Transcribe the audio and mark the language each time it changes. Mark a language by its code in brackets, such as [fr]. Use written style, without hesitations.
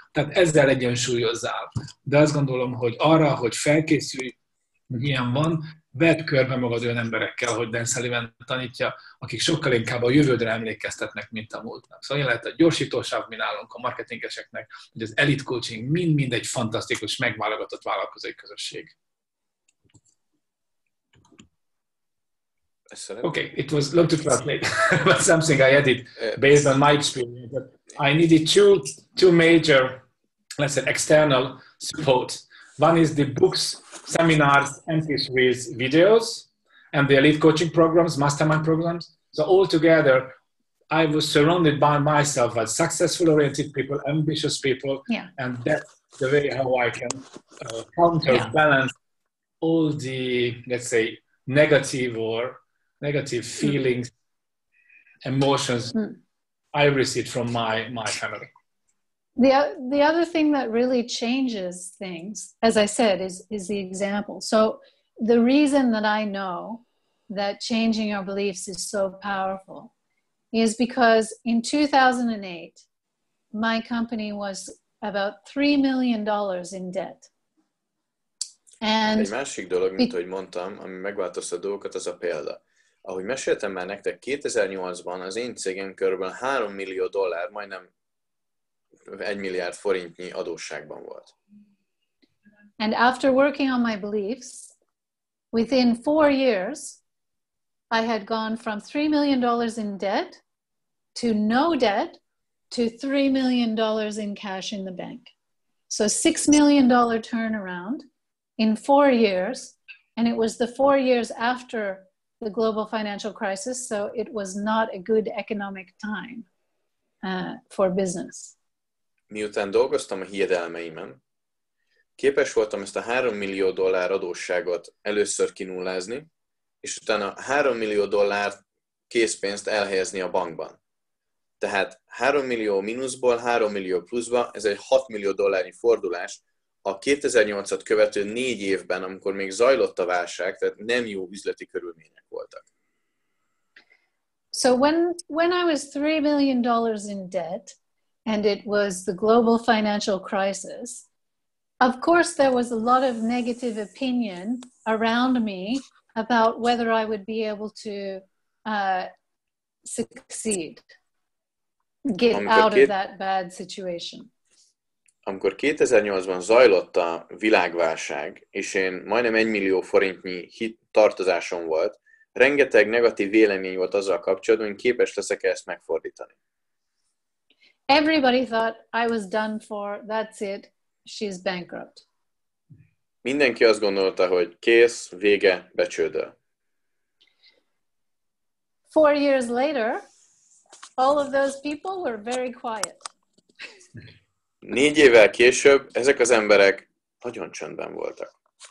[hu] Tehát ezzel egyensúlyozzál. De azt gondolom, hogy arra, hogy felkészülj, hogy ilyen van, vedd körbe magad olyan emberekkel, hogy Dan Sullivan tanítja, akik sokkal inkább a jövődre emlékeztetnek, mint a múltnak. Szóval lehet a gyorsítósáv, mi nálunk a marketingeseknek, hogy az Elite Coaching mind-mind egy fantasztikus, megválogatott vállalkozói közösség. [en] Okay, it was long to translate, but something I added based on my experience. But I needed two major, let's say, external support. One is the books, seminars, MP3s, videos, and the Elite Coaching programs, mastermind programs. So all together, I was surrounded by myself as successful-oriented people, ambitious people, yeah. And that's the way how I can counterbalance yeah. all the, let's say, negative feelings, emotions I received from my family. The other thing that really changes things, as I said, is the example. So the reason that I know that changing your beliefs is so powerful is because in 2008, my company was about $3 million in debt. [hu] And egy másik dolog, mint ahogy mondtam, ami megváltoztatta a dolgokat, az a példa. Ahogy meséltem már nektek, 2008-ban az én cégem körülbelül 3 millió dollár, majdnem 1 milliárd forintnyi adósságban volt. [en] And after working on my beliefs, within 4 years, I had gone from $3 million in debt to no debt to $3 million in cash in the bank. So $6 million turnaround in 4 years, and it was the 4 years after the global financial crisis, so it was not a good economic time for business. [hu] Miután dolgoztam a hiedelmeimen, képes voltam ezt a 3 millió dollár adósságot először kinullázni, és utána 3 millió dollár készpénzt elhelyezni a bankban. Tehát 3 millió mínuszból 3 millió pluszba, ez egy 6 millió dollárnyi fordulás, a 2008-at követő 4 évben, amikor még zajlott a válság, tehát nem jó üzleti körülmények voltak. [en] So when I was $3 million in debt, and it was the global financial crisis, of course there was a lot of negative opinion around me about whether I would be able to succeed, get out of that bad situation. [hu] Amikor 2008-ban zajlott a világválság, és én majdnem 1 millió forintnyi tartozásom volt, rengeteg negatív vélemény volt azzal kapcsolatban, hogy képes leszek-e ezt megfordítani. [en] Everybody thought I was done for, that's it, she's bankrupt. [hu] Mindenki azt gondolta, hogy kész, vége, becsődöl. [en] 4 years later, all of those people were very quiet. [hu] 4 évvel később ezek az emberek nagyon csöndben voltak.